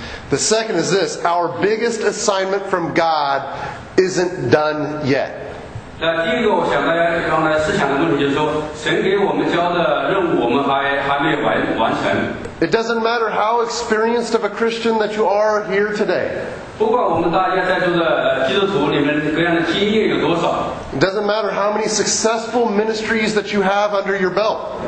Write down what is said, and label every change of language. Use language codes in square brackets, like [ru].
[en] The second is this, our biggest assignment from God isn't done yet. [zh] 第一个我想大家刚才思想的问题就是说神给我们交的任务我们还没有完成。 [en] It doesn't matter how experienced of a Christian that you are here today. [zh] 不管我们大家在座的基督徒里面各样的经验有多少。 [en] It doesn't matter how many successful ministries that you have under your belt.